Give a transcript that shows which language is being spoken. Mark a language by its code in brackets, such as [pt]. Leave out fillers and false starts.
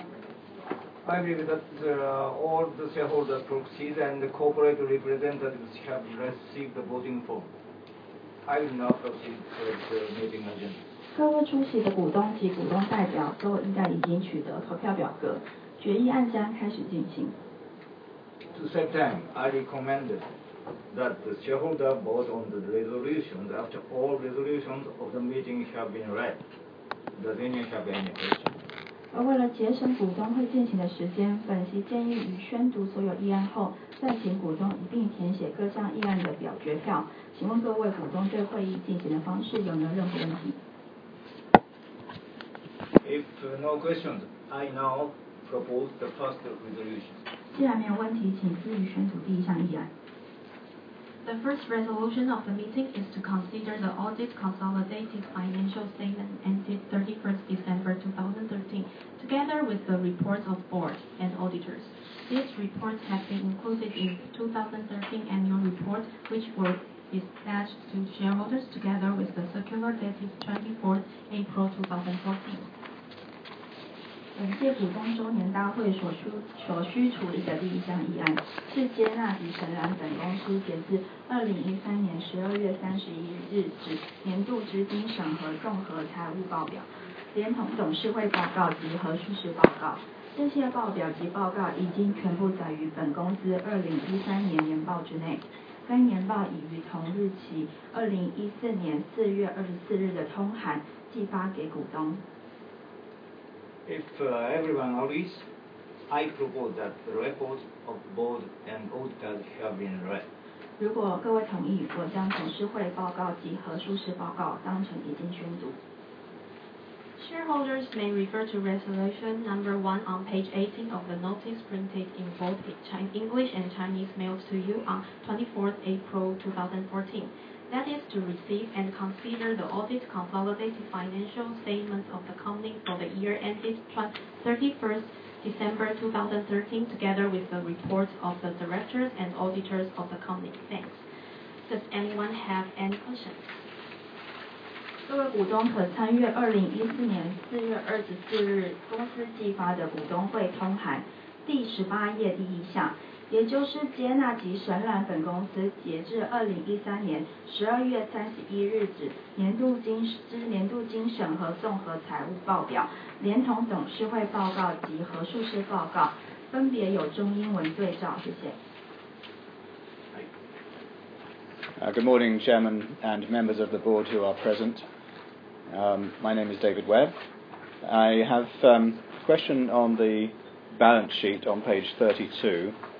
[en] Okay. I believe that all the shareholder proxies and the corporate representatives have received the voting form. I will now proceed to the meeting agenda. [zh] 各位出席的股东及股东代表都应该已经取得投票表格，决议案将开始进行。 [en] To set time, I recommended that the shareholder vote on the resolutions after all resolutions of the meeting have been read. Does anyone have any question? [zh] 而为了节省股东会进行的时间，本席建议于宣读所有议案后，再请股东一并填写各项议案的表决票。请问各位股东对会议进行的方式有没有任何问题？ [en] If no questions, I now propose the first resolution. [zh] 既然没有问题，请自己宣读第一项议案。 [en] The first resolution of the meeting is to consider the audit consolidated financial statement ended 31st December 2013, together with the reports of board and auditors. These reports have been included in 2013 annual report, which were dispatched to shareholders together with the circular dated 24th April 2014. [zh] 本届股东周年大会所需处理的第一项议案是接纳及承揽本公司截至2013年12月31日止年度资金审核综合财务报表，连同董事会报告及核数师报告。这些报表及报告已经全部载于本公司2013年年报之内。该年报已于同日起2014年4月24日的通函寄发给股东。 [en] If everyone agrees, I propose that the reports of board and auditors have been read. [zh] 如果各位同意，我将董事会报告及核数师报告当成已经宣读。 [en] Shareholders may refer to resolution number 1 on page 18 of the notice printed in both English and Chinese mails to you on 24th April 2014. That is to receive and consider the audit consolidated financial statements of the company for the year ended 31st December 2013 together with the reports of the directors and auditors of the company. Thanks. Does anyone have any questions? [zh] 各位股东可参阅2014年4月24日公司寄发的股东会通函第18页第一项，也就是接纳及承揽本公司截至2013年12月31日止年度经审核综合财务报表，连同董事会报告及核数师报告，分别有中英文对照，谢谢。 [en] Good morning, Chairman and members of the board who are present. My name is David Webb. I have a question on the balance sheet on page 32.